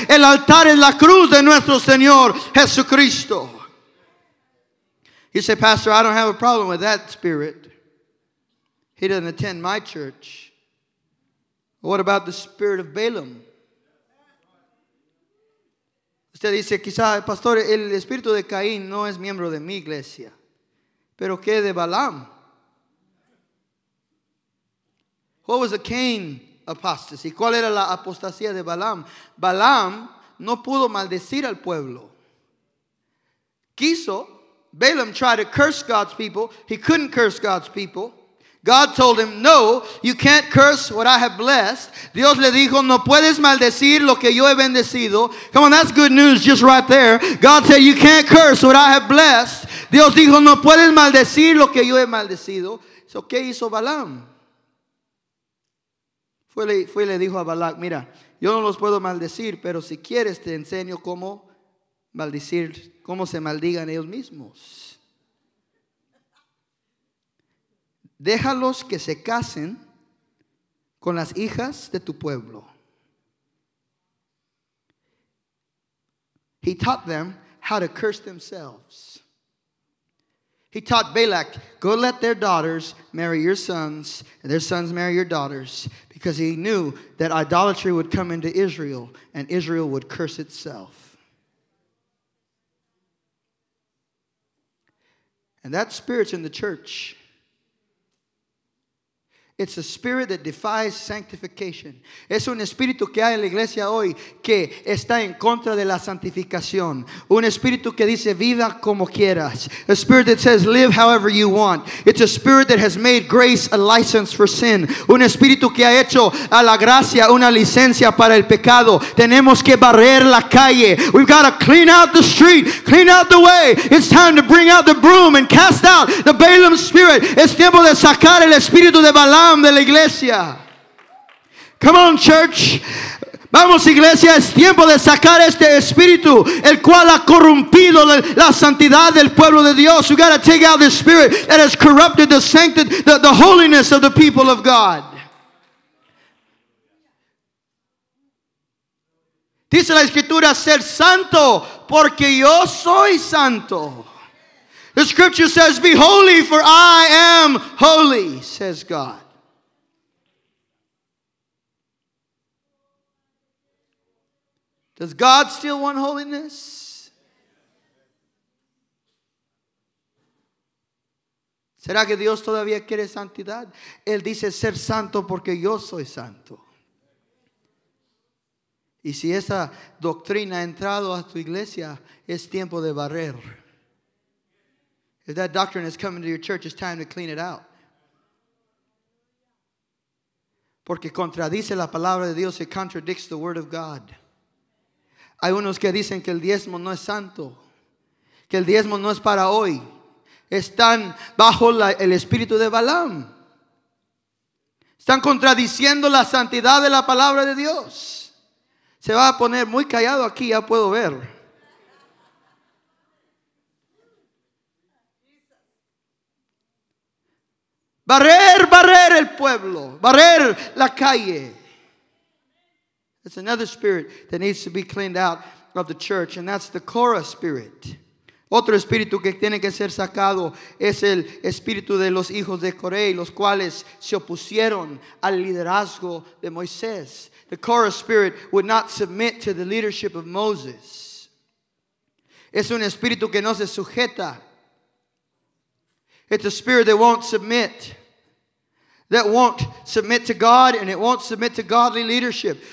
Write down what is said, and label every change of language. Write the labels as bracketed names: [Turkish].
[Spanish] El altar es la cruz de nuestro Señor Jesucristo. [English] You say, Pastor, I don't have a problem with that spirit. He doesn't attend my church. What about the spirit of Balaam? [Spanish] Usted dice, quizá, pastor, el espíritu de Caín no es miembro de mi iglesia. Pero ¿qué de Balaam? [English] What was the Cain apostasy? [Spanish] ¿Cuál era la apostasía de Balaam? Balaam no pudo maldecir al pueblo. Quiso. [English] Balaam tried to curse God's people. He couldn't curse God's people. God told him, no, you can't curse what I have blessed. [Spanish] Dios le dijo, no puedes maldecir lo que yo he bendecido. [English] Come on, that's good news just right there. God said, you can't curse what I have blessed. [Spanish] Dios dijo, no puedes maldecir lo que yo he maldecido. So, ¿qué hizo Balaam? Fue y le dijo a Balak, mira, yo no los puedo maldecir, pero si quieres te enseño cómo maldecir, cómo se maldigan ellos mismos. Déjalos que se casen con las hijas de tu pueblo. [English] He taught them how to curse themselves. He taught Balak, go let their daughters marry your sons and their sons marry your daughters, because he knew that idolatry would come into Israel and Israel would curse itself. And that spirit's in the church. It's a spirit that defies sanctification. [Spanish] Es un espíritu que hay en la iglesia hoy que está en contra de la santificación. Un espíritu que dice, viva como quieras. [English] A spirit that says, live however you want. It's a spirit that has made grace a license for sin. [Spanish] Un espíritu que ha hecho a la gracia una licencia para el pecado. Tenemos que barrer la calle. [English] We've got to clean out the street, clean out the way. It's time to bring out the broom and cast out the Balaam spirit. [Spanish] Es tiempo de sacar el espíritu de Balaam de la iglesia. [English] Come on, church. [Spanish] Vamos, iglesia, es tiempo de sacar este espíritu, el cual ha corrompido la santidad del pueblo de Dios. [English] We got to take out this spirit that has corrupted the sanctity, the holiness of the people of God. [Spanish] Dice la escritura, ser santo, porque yo soy santo. [English] The scripture says, be holy, for I am holy, says God. Does God still want holiness? [Spanish] ¿Será que Dios todavía quiere santidad? Él dice ser santo porque yo soy santo. Y si esa doctrina ha entrado a tu iglesia, es tiempo de barrer. [English] If that doctrine has come into your church, it's time to clean it out. [Spanish] Porque contradice la palabra de Dios, [English] it contradicts the word of God. [Spanish] Hay unos que dicen que el diezmo no es santo, que el diezmo no es para hoy. Están bajo el espíritu de Balaam. Están contradiciendo la santidad de la palabra de Dios. Se va a poner muy callado aquí, ya puedo ver. Barrer, barrer el pueblo, barrer la calle. [English] It's another spirit that needs to be cleaned out of the church, and that's the Korah spirit. [Spanish] Otro espíritu que tiene que ser sacado es el espíritu de los hijos de Coré, los cuales se opusieron al liderazgo de Moisés. [English] The Korah spirit would not submit to the leadership of Moses. [Spanish] Es un espíritu que no se sujeta. [English] It's a spirit that won't submit. That won't submit to God and it won't submit to godly leadership.